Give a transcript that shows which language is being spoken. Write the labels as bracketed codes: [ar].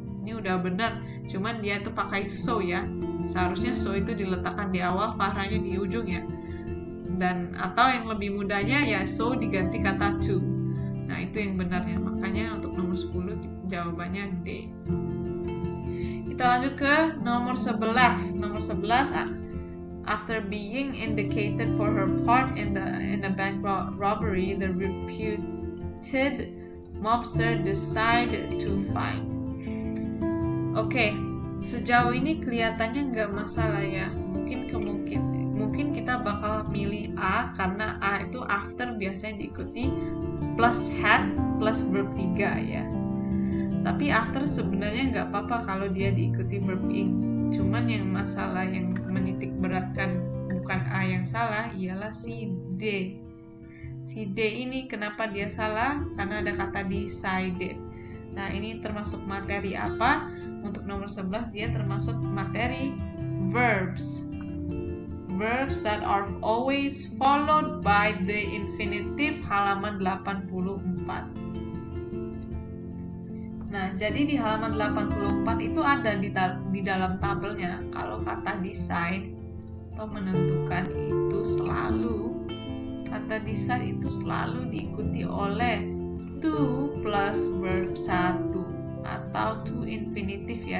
[id] Ini udah benar, cuman dia itu pakai so ya. Seharusnya so itu diletakkan di awal, Fahranya di ujung ya. Dan atau yang lebih mudahnya ya, so diganti kata to. Nah, itu yang benarnya. Makanya untuk nomor 10 jawabannya D. Kita lanjut ke nomor 11. Nomor 11, [en] after being indicted for her part in the bank robbery, the reputed mobster decide to fight. [id] Okay, sejauh ini kelihatannya nggak masalah ya. Mungkin kita bakal milih A karena A itu after biasanya diikuti plus had plus verb 3 ya. Tapi after sebenarnya nggak apa-apa kalau dia diikuti verb ing. Cuman yang masalah yang menitik beratkan bukan A yang salah, ialah si D. Si D ini kenapa dia salah? Karena ada kata decided. Nah, ini termasuk materi apa? Untuk nomor 11 dia termasuk materi verbs. [en] Verbs that are always followed by the infinitive, [id] halaman 84. Nah, jadi di halaman 84 itu ada di dalam tabelnya. Kalau kata decide atau menentukan itu selalu, kata decide itu selalu diikuti oleh to plus verb 1 atau to infinitive ya.